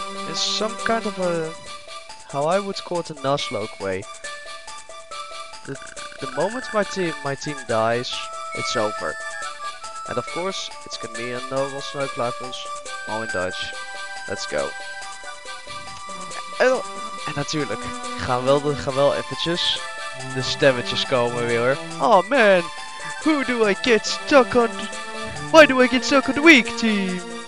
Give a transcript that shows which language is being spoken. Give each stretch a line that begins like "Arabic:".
English: It's some kind of a, how I would call it, a Nuzlocke way. The moment my team dies, it's over. And of course, it's gonna be a Noble Snoke Levels. All in Dutch. Let's go.
Dutch: En natuurlijk, gaan wel eventjes de stemmetjes komen weer.
English: Oh man, who do I get stuck on? Why do I get stuck on the weak team?